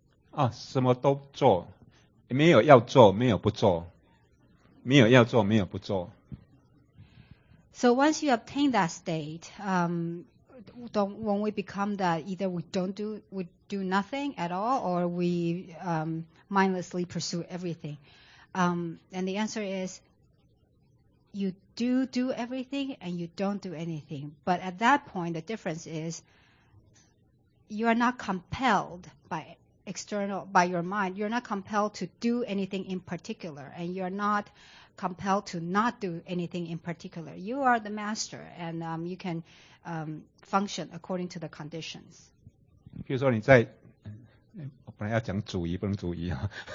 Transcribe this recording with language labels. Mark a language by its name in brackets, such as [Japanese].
[Chinese] 啊，什么都做，没有要做，没有不做，没有要做，没有不做。 [English] So once you obtain that state, when we become that, either we do nothing at all, or we mindlessly pursue everything. And the answer is, you do everything and you don't do anything. But at that point, the difference is, you are not compelled by external, by your mind. You're not compelled to do anything in particular, and you're not compelled to not do anything in particular. You are the master, and you can function according to the conditions. [Chinese] 譬如说你在，我本来要讲煮鱼，不能煮鱼啊。